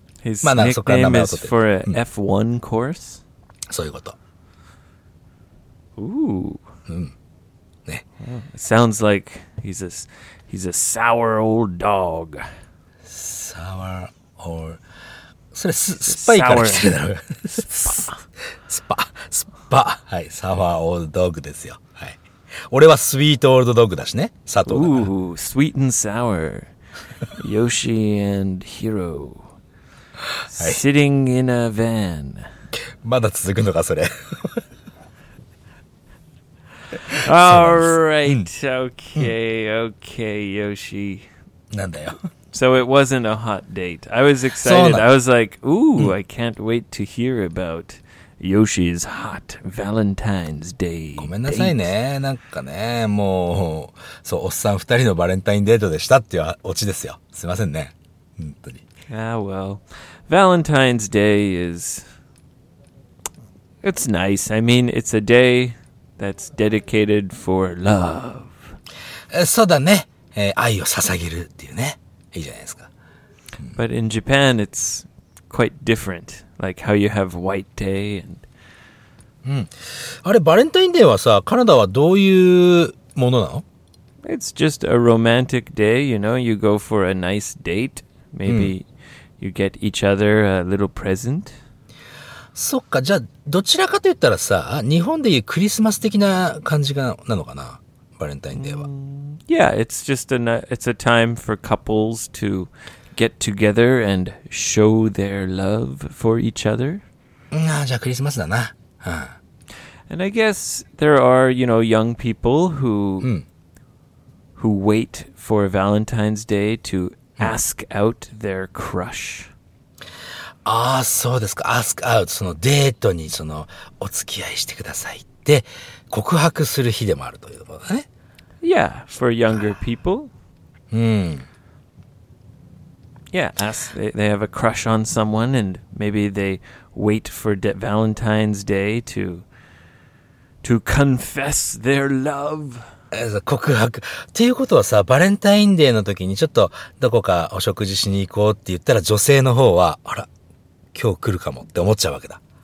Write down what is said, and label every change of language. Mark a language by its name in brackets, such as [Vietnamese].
[Japanese] His、まあ、そっから名前を取ってる。 [English] His name is for an F1 course?、 [Japanese] うん、そういうこと。 [English] Ooh. [Japanese] うん。ね。 [English] Sounds like he's a sour old dog. Sour old... [Japanese] それ、スパイから来てるだろう。スパ。はい。サワーオールドドッグですよ。はい。俺はスイートオールドドッグだしね。佐藤が。 [English] Ooh, sweet and sour. Yoshi and Hiro. Sitting in a van. [Japanese] まだ続くのか、それ。 [English] Alright. Okay, okay, Yoshi. [Japanese] なんだよ。 [English] So it wasn't a hot date. I was excited. I was like, ooh,、うん、I can't wait to hear about Yoshi's hot Valentine's Day. [Japanese] ごめんなさいね。なんかね、もう、そう、おっさん二人のバレンタインデートでしたっていうオチですよ。すいませんね。本当に。 [English] Ah, well. Valentine's Day is... It's nice. I mean, it's a day that's dedicated for love. [Japanese] そうだね。愛を捧げるっていうね。いいじゃないですか。 [English] But in Japan, it's quite different. Like how you have White Day and [Japanese] あれ、バレンタインデーはさ、カナダはどういうものなの？ [English] It's just a romantic day, you know, you go for a nice date. Maybe、うん、you get each other a little present. [Japanese] そっか、じゃあどちらかといったらさ、日本でいうクリスマス的な感じがなのかな、バレンタインデーは。 [English] Yeah, it's just it's a time for couples to get together and show their love for each other. [Japanese] ああ、じゃあクリスマスだな。 [English] And I guess there are, you know, young people who、 [Japanese] うん、 [English] who wait for Valentine's Day to ask out their crush. [Japanese] ああ、そうですか。 [English] Ask out、 [Japanese] そのデートにそのお付き合いしてくださいって告白する日でもあるということだね。 [English] Yeah, for younger people. Hmm. Yeah, ask, they have a crush on someone and maybe they wait for Valentine's Day to confess their love. As a 告白。 [Japanese] ということはさ、バレンタインデーの時にちょっとどこかお食事しに行こうって言ったら、女性の方は、あら、今日来るかもって思っちゃうわけだ。